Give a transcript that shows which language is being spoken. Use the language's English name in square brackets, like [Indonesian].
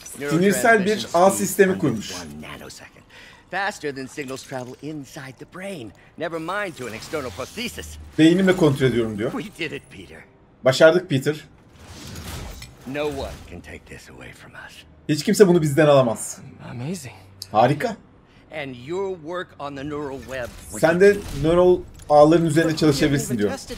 [Turkish] Sinirsel bir ağ sistemi kurmuş. [English] Faster than signals travel inside the brain. Never mind to an external prosthesis. [Turkish] Beynimi kontrol ediyorum diyor. [English] We did it, Peter. [Turkish] Başardık Peter. [English] No one can take this away from us. [Turkish] Hiç kimse bunu bizden alamaz. [English] Amazing. [Turkish] Harika. [English] And your work on the neural web. [Turkish] Sen de neural ağların üzerinde çalışabilirsin diyor.